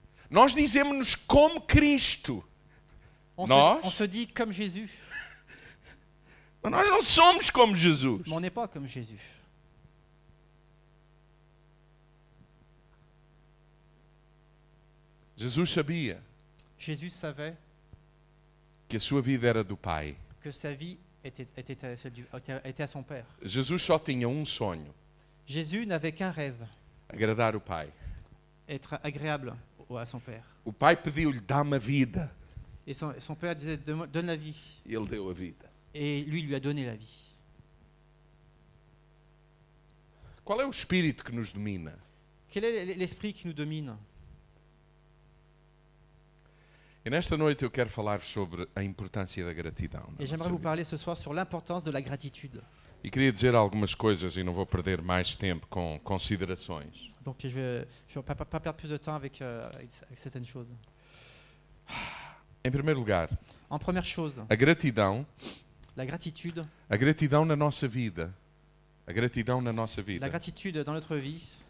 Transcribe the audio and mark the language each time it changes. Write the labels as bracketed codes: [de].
[pt] Nós dizemos-nos como Cristo. [fr] On se dit comme Jésus. [pt] Mais nós não somos como Jesus. [fr] Mais on n'est pas comme Jésus. [pt] Jesus sabia. [fr] Jésus savait [pt] que a sua vida era do Pai. [fr] Que sa vie était à son père. [pt] Jesus só tinha um sonho. [fr] Jésus n'avait qu'un rêve. [pt] Agradar o Pai. [fr] Être agréable à son père. [pt] O Pai pediu-lhe dá-me a vida. [fr] Et son père disait donne la vie. [pt] E ele deu a vida. [fr] Et lui a donné la vie. [pt] Qual é o espírito que nos domina? [fr] Quel est l'esprit qui nous domine? [pt] E nesta noite eu quero falar-vos sobre a importância da gratidão. [fr] Et j'aimerais vous parler ce soir sur l'importance de la gratitude. [pt] E queria dizer algumas coisas e não vou perder mais tempo com considerações. [fr] Donc je vais pas perdre plus de temps avec certaines choses. [pt] Em primeiro lugar, [fr] en première chose, [pt] a gratidão, [fr] la gratitude, [pt] a gratidão na nossa vida, a gratidão na nossa vida, [fr] la gratitude dans notre vie,